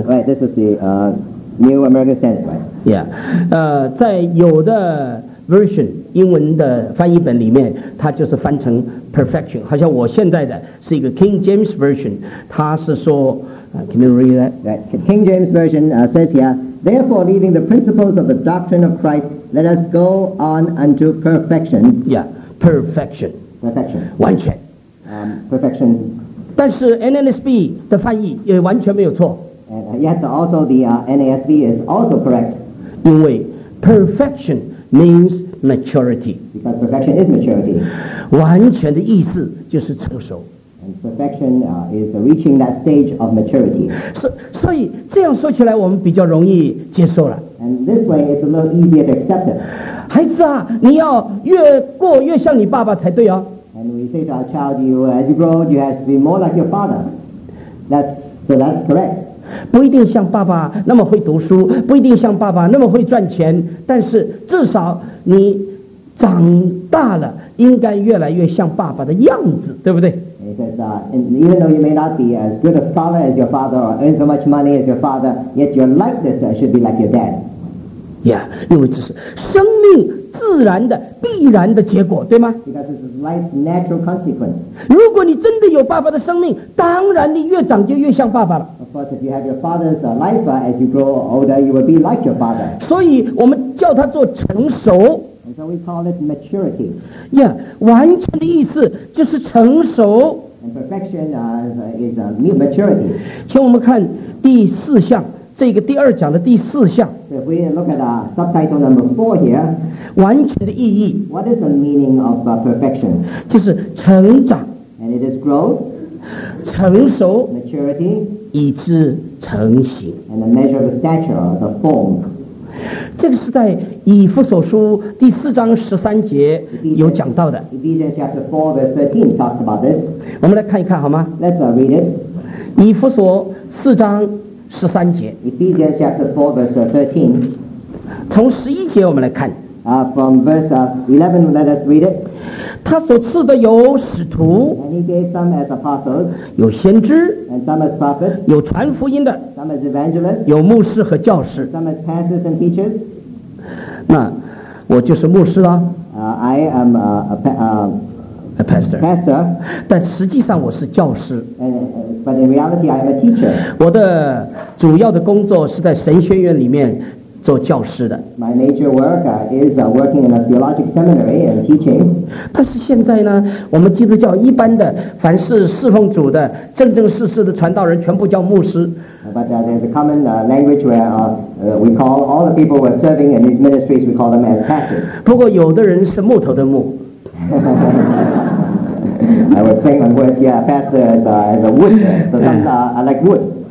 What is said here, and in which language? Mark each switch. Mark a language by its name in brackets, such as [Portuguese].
[English] Right, this is the New American Standard, right? [Chinese] Yeah, 在有的 version, 英文的翻译本里面，它就是翻成 perfection, 好像我现在的是一个 King James Version, 它是说 [English] can you read that? Right. King James Version says here, therefore, leaving the principles of the doctrine of Christ, let us go on unto perfection. Yeah, perfection. Perfection. [Chinese] 完全。 [English] Perfection. [Chinese] 但是 NASB 的翻译也完全没有错。 [English] Yet also the NASB is also correct. [Chinese] 因为 [English] perfection means maturity. Because perfection is maturity. [Chinese] 完全的意思就是成熟。 [English] And perfection is the reaching that stage of maturity. [Chinese] So, 所以这样说起来，我们比较容易接受了。 [English] And this way, it's a little easier to accept it. [Chinese] 孩子啊，你要越过越像你爸爸才对哦。 [English] And we say to our child, you, as you grow, you have to be more like your father. That's correct. [Chinese] 不一定像爸爸那么会读书，不一定像爸爸那么会赚钱，但是至少你长大了，应该越来越像爸爸的样子，对不对？ [English] And even though you may not be as good a scholar as your father or earn so much money as your father, yet your likeness should be like your dad. [Chinese] Yeah, 因为这是生命自然的必然的结果，对吗？ [English] Because this is life's natural consequence. [Chinese] 如果你真的有爸爸的生命，当然你越长就越像爸爸了。 [English] Of course, if you have your father's life, as you grow older, you will be like your father. [Chinese] 所以我们叫他做成熟。 [English] So we call it maturity. [Chinese] Yeah, 完全的意思就是成熟。 [English] And perfection is a new maturity. [Chinese] 请我们看第四项，这个第二讲的第四项。 [English] So if we look at subtitle number four here. [Chinese] 完全的意义。 [English] What is the meaning of perfection? [Chinese] 就是成长。 [English] And it is growth. [Chinese] 成熟。 [English] Maturity. [Chinese] 以致成形。 [English] And a measure of stature, the form. [Chinese] 这个是在以弗所书第四章十三节有讲到的。 [English] Ephesians chapter 4 verse 13 talks about this. [Chinese] 我们来看一看好吗？ [English] Let's read it. [Chinese] 以弗所四章十三节。 [English] Ephesians chapter 4 verse 13. [Chinese] 从十一节我们来看。 [English] From verse 11, let us read it. [Chinese] 他所赐的有使徒。 [English] And he gave some as apostles. [Chinese] 有先知。 [English] And some as prophets. [Chinese] 有传福音的。 [English] Some as evangelists. [Chinese] 有牧师和教师。 [English] Some as pastors and teachers. [Chinese] 那我就是牧师了。 [English] I am a pastor. Pastor. [Chinese] 但实际上我是教师。 [English] But in reality, I am a teacher. [Chinese] 我的主要的工作是在神学院里面做教师的。 [English] My major work is working in a theological seminary and teaching. [Chinese] 但是现在呢，我们基督教一般的，凡是侍奉主的、正正式式的传道人，全部叫牧师。 [English] But there's a common language where we call all the people who are serving in these ministries, we call them as pastors. [Chinese] 不过有的人是木头的木。 [English] I was saying on words, yeah, pastor is a wood, so some are like wood.